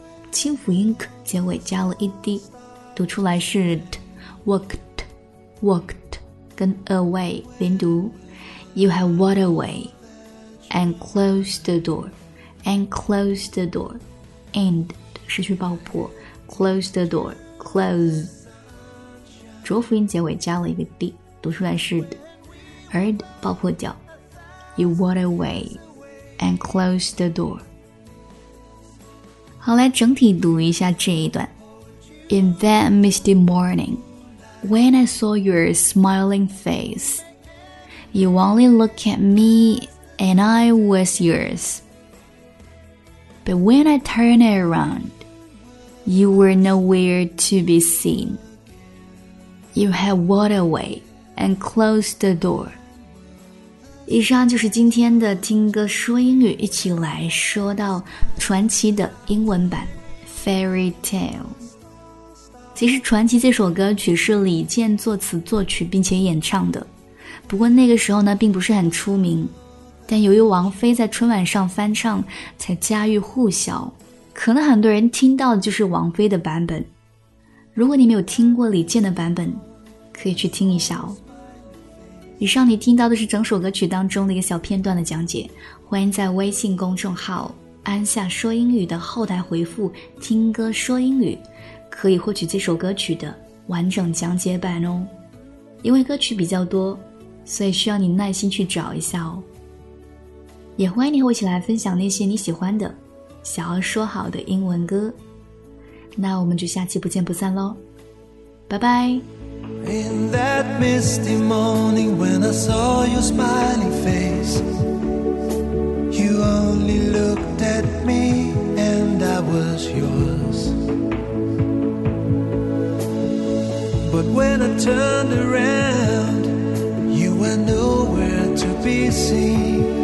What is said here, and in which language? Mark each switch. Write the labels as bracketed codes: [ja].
[zh] 清辅音 k 结尾加了一滴。读出来是 t, [en] walked, walked, [zh] 跟 away, 连读 [en] You have walked away, and closed the door, and closed the door, and, [zh] 失去爆破 [en] closed the door, close, [zh] 浊辅音结尾加了一个 [en] d, [zh] 读出来是 [en] d, 而 d, [zh] 爆破掉 [en] You walked away, and closed the door. [zh] 好，来整体读一下这一段。 [en] In that misty morning, when I saw your smiling face, you only looked at me and I was yours. But when I turned around, you were nowhere to be seen. You had walked away and closed the door. [zh] 以上就是今天的听歌说英语，一起来说到传奇的英文版 Fairy Tale。其实传奇这首歌曲是李健作词作曲并且演唱的，不过那个时候呢并不是很出名，但由于王菲在春晚上翻唱才家喻户晓，可能很多人听到的就是王菲的版本。如果你没有听过李健的版本，可以去听一下哦。以上你听到的是整首歌曲当中的一个小片段的讲解，欢迎在微信公众号安夏说英语的后台回复听歌说英语，可以获取这首歌曲的完整讲解版哦。因为歌曲比较多，所以需要你耐心去找一下哦。也欢迎你和我一起来分享那些你喜欢的想要说好的英文歌。那我们就下期不见不散咯，拜拜。 [en] In that misty morning when I saw your smiling face, you only looked at me and I was yours. But when I turned around, you were nowhere to be seen.